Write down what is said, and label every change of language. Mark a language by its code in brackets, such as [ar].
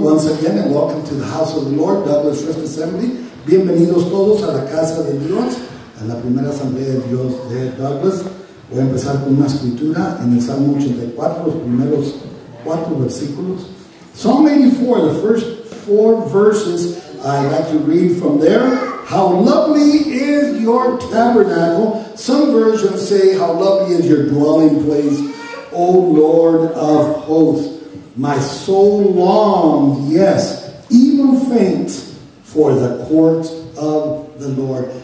[en] Once again, and welcome to the House of the Lord, Douglas First Assembly. [es] Bienvenidos todos a la Casa de Dios, a la primera Asamblea de Dios de Douglas. Voy a empezar con una escritura en el Salmo 84, los primeros cuatro versículos. [en] Psalm 84, the first four verses, I'd like to read from there. How lovely is your tabernacle. Some versions say, how lovely is your dwelling place, O Lord of hosts. My soul longs, yes, even faints, for the courts of the Lord.